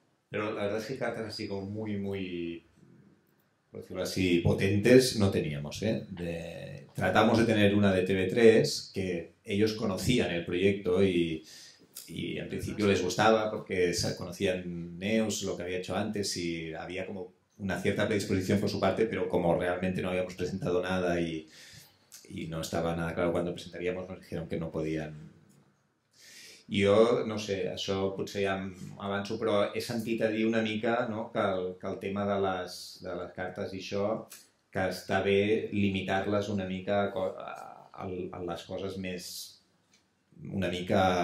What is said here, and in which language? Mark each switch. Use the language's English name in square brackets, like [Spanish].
[Catalan] Però la veritat és que cartes així com [Spanish] muy, muy... Por decirlo así, potentes, no teníamos, ¿eh? Tratamos de tener una de TV3, que ellos conocían el proyecto y en principio les gustaba porque conocían Neus, lo que había hecho antes, y había como una cierta predisposición por su parte, pero como realmente no habíamos presentado nada y no estaba nada claro cuando presentaríamos, nos dijeron que no podían. [Catalan] Jo, no sé, això potser ja avanço, però he sentit a dir una mica, no, que el tema de les cartes i això, que està bé limitar-les una mica a les coses més... una mica...